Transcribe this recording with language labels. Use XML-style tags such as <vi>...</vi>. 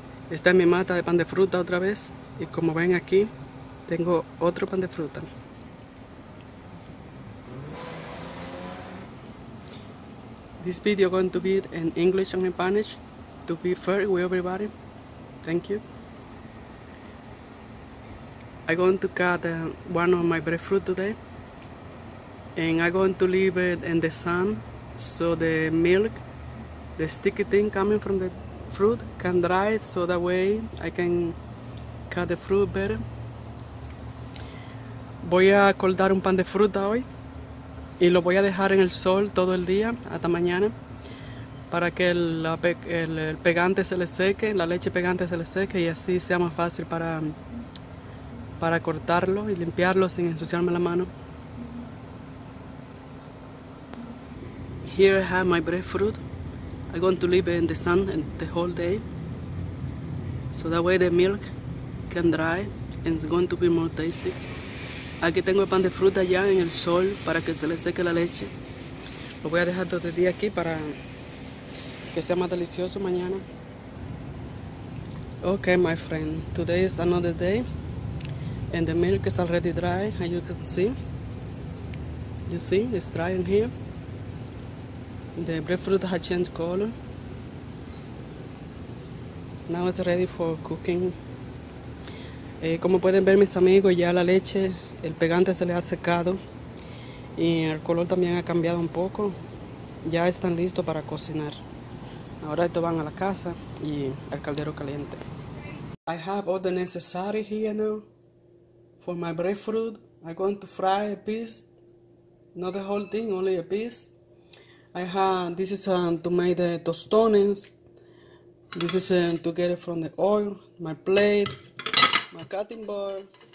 <es>Esta es mi mata de pan de fruta otra vez. Y como ven aquí, tengo otro pan de fruta.</es> <en>This video is going to be in English and in Spanish to be fair with everybody. Thank you. I'm going to cut one of my breadfruit today, and I'm going to leave it in the sun so the milk, the sticky thing coming from the fruit, can dry it, so that way I can cut the fruit better.</en> <es>Voy a cortar un pan de fruta hoy y lo voy a dejar en el sol todo el día hasta mañana para que el pegante se le seque, la leche pegante se le seque y así sea más fácil para cortarlo y limpiarlo sin ensuciarme la mano.</es> <en>Here I have my breadfruit. I'm going to leave it in the sun the whole day, so that way the milk can dry and it's going to be more tasty.</en> <es>Aquí tengo el pan de fruta ya en el sol para que se le seque la leche. Lo voy a dejar todo el día aquí para que sea más delicioso mañana.</es> <en>Okay, my friend, today is another day. And the milk is already dry, as you can see. You see, it's dry in here. The breadfruit has changed color. Now it's ready for cooking.</en> <es>Como pueden ver, mis amigos, ya la leche, el pegante se le ha secado. Y el color también ha cambiado un poco. Ya están listos para cocinar. Ahora estos van a la casa y al caldero caliente.</es> <en>I have all the necessary here now. For my breadfruit, I'm going to fry a piece, not the whole thing, only a piece. This is to make the tostones. This is to get it from the oil, my plate, my cutting board.</en>